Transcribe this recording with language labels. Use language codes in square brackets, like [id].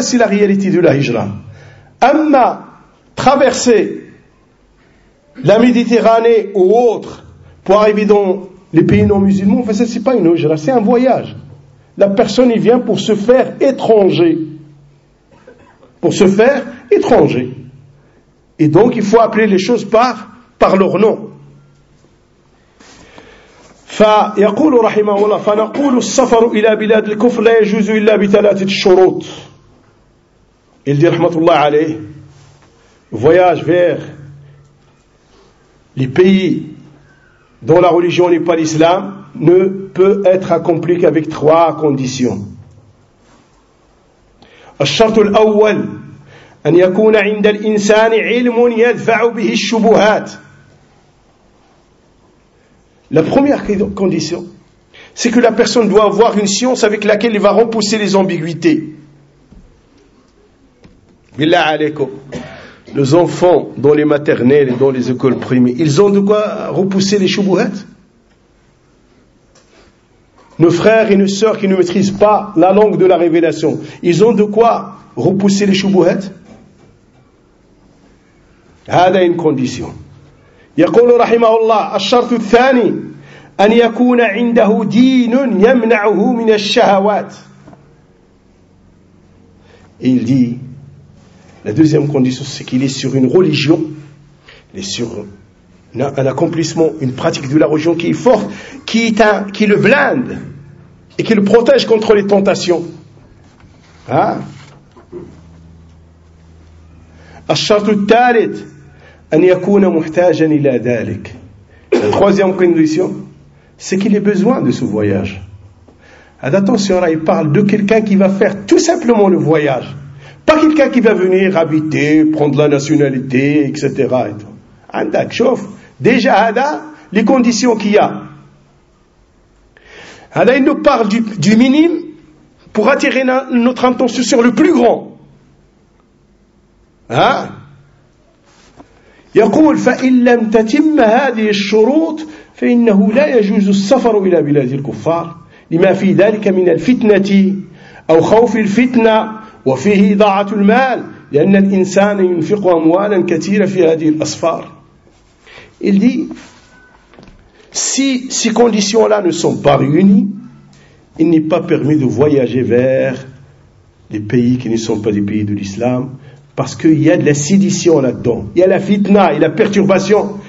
[fr] C'est la réalité de la hijra. Amma, traverser la Méditerranée ou autre, pour arriver dans les pays non musulmans, enfin, ça c'est pas une hijra, c'est un voyage. La personne y vient pour se faire étranger. Pour se faire étranger. Et donc il faut appeler les choses par leur nom. [ar] فيقول رحمه الله فنقول السفر الى بلاد الكفر لا يجوز الا بثلاثه شروط. [fr] Il dit rahmatullah alayh, voyage vers les pays dont la religion n'est pas l'islam ne peut être accompli qu'avec trois conditions. [ar] الشرط الاول أن يكون عند الإنسان علم يدفع به الشبهات. [fr] La première condition, c'est que la personne doit avoir une science avec laquelle il va repousser les ambiguïtés. [ar] Billah alaykoum. [fr] Les enfants dans les maternelles et dans les écoles primées, ils ont de quoi repousser les shubuhat. Nos frères et nos sœurs qui ne maîtrisent pas la langue de la révélation, ils ont de quoi repousser les shubuhat. [ar] هذا [fr] une condition. [ar] يقول رحمه الله الشرط الثاني أن يكون عنده دين يمنعه من الشهوات. [fr] Il dit la deuxième condition c'est qu'il est sur une religion, il est sur un accomplissement, une pratique de la religion qui est forte, qui le blinde et qui le protège contre les tentations. Hein? [ar] الشرط الثالث أن يكون محتاجا إلى ذلك. [fr] Troisième condition, c'est qu'il ait besoin de ce voyage. Attention, là, il parle de quelqu'un qui va faire tout simplement le voyage. Pas quelqu'un qui va venir habiter, prendre la nationalité, etc. Andak, chauffe. Déjà, Ada, les conditions qu'il y a. Ada, il nous parle du minime pour attirer notre attention sur le plus grand. Hein? [ar] يقول فإن لم تتم هذه الشروط فإنه لا يجوز السفر إلى بلاد الكفار لما في ذلك من الفتنة أو خوف الفتنة وفيه إضاعة المال لأن الإنسان ينفق أموالا كثيرة في هذه الأسفار. [fr] Il dit, si ces conditions-là ne sont pas réunies, il n'est pas permis de voyager vers les pays qui ne sont pas des pays de l'islam. Parce qu'il y a de la sédition là-dedans. Il y a la fitna, il y a la perturbation.